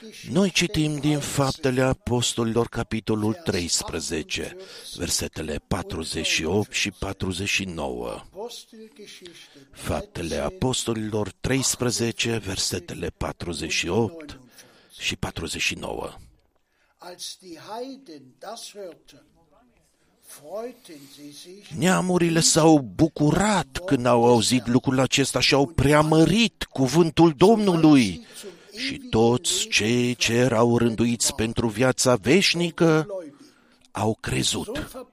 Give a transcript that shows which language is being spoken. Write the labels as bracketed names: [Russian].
[Romanian] Noi citim din Faptele Apostolilor, capitolul 13, versetele 48 și 49. Faptele Apostolilor 13, versetele 48 și 49. [German] Als die Heiden das hörten, freuten sie sich. [Romanian] Neamurile s-au bucurat când au auzit lucrul acesta și au preamărit cuvântul Domnului. Și toți cei ce erau rânduiți pentru viața veșnică au crezut.